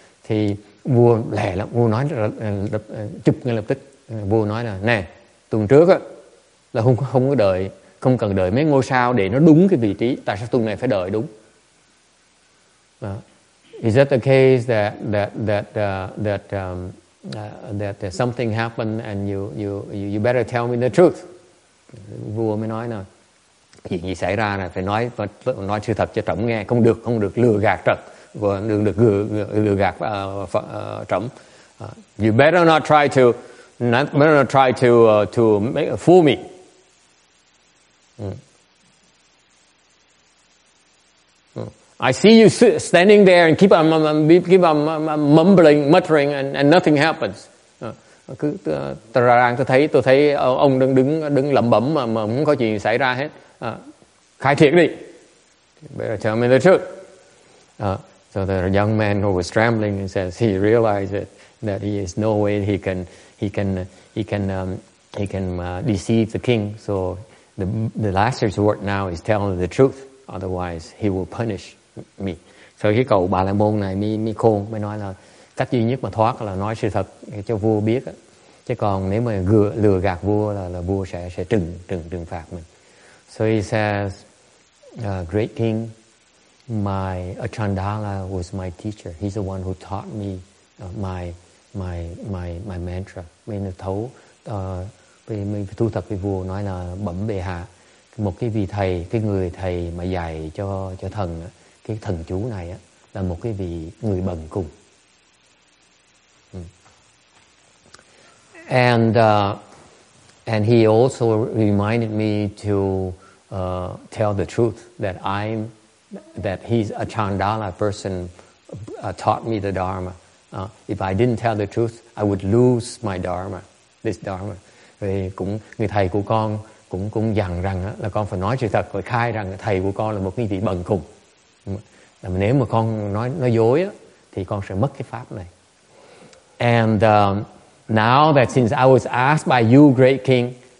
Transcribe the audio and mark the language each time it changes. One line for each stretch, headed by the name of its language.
Vietnamese: Thì vua lẹ lắm, vua nói chụp ngay lập tức. Vua nói là nè, tuần trước á là không có đợi, không cần đợi mấy ngôi sao để nó đúng cái vị trí, tại sao tuần này phải đợi đúng?
English: Is that the case that something happened and you better tell me the truth?
Vietnamese: Vua mới nói là chuyện gì xảy ra là phải nói sự thật cho trẫm nghe, không được lừa gạt trẫm. Đừng được lừa gạt trẫm.
English: You better not try to make a fool me. I see you standing there and keep on muttering and nothing happens.
Vietnamese: Cứ ra ràng tôi thấy ông đứng lẩm bẩm mà không có chuyện xảy ra hết. Khai thiệt đi.
English: Better tell me the truth. So the young man who was trembling and says he realized that he is no way he can deceive the king. So the last resort now is telling the truth, otherwise he will punish me.
Vietnamese: So cái cậu Bà La Môn này mi khôn, mới nói là cách duy nhất mà thoát là nói sự thật cho vua biết. Chứ còn nếu mà lừa gạt vua là vua sẽ trừng phạt mình.
English: So he says, great king, my Achandala was my teacher. He's the one who taught me my mantra.
Vietnamese: Mình thấu mình thu thập với vua, nói là bẩm bệ hạ, một cái vị thầy, cái người thầy mà dạy cho thần cái thần chú này á, là một cái vị người bần cùng.
English: And he also reminded me to tell the truth that he's a Chandala person taught me the Dharma. If I didn't tell the truth, I would lose my Dharma, this Dharma.
Vietnamese: Vì cũng người thầy của con cũng dặn rằng là con phải nói sự thật, phải khai rằng thầy của con là một cái vị bần cùng. Nếu mà con nói dối á, thì con sẽ mất cái pháp này.
English: And now that since I was asked by you, great king,